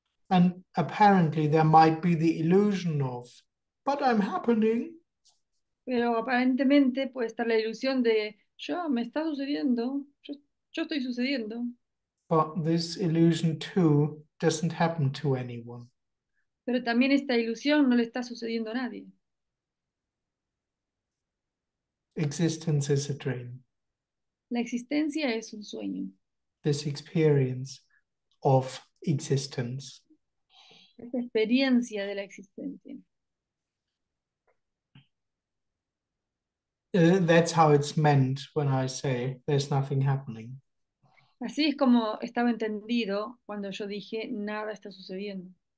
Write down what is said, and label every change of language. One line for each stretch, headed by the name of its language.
English: And apparently there might be the illusion of, but I'm happening.
Spanish: Pero aparentemente puede estar la ilusión de yo me está sucediendo, yo estoy sucediendo.
English: But this illusion too doesn't happen to anyone.
Spanish: Pero también esta ilusión no le está sucediendo a nadie.
English: Existence is a dream.
Spanish: La existencia es un sueño.
English: This experience of existence.
Spanish: Esta experiencia de la existencia.
English: That's how it's meant when I say there's nothing happening.
Spanish: Así es como estaba entendido cuando yo dije nada está sucediendo.